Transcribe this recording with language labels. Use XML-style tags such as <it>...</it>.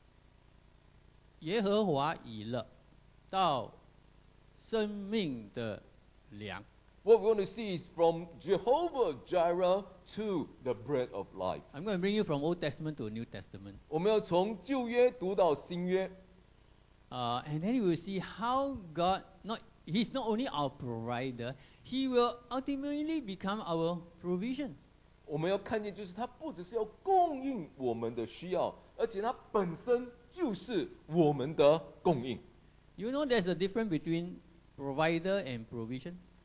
<zh>今天我们要看的是从耶和华以勒 到生命的粮。</zh> <en>What we want to see is from Jehovah Jireh to the bread of life. I'm going to bring you from Old Testament to New Testament.</en> <zh>我们要从旧约读到新约。</zh> <en>And then you will see how God, He's not only our provider, He will ultimately become our provision.</en> <zh>我们要看见就是他不只是要供应我们的需要，而且他本身就是我们的供应。</zh> <en>You know there's a difference between provider and provision?</en>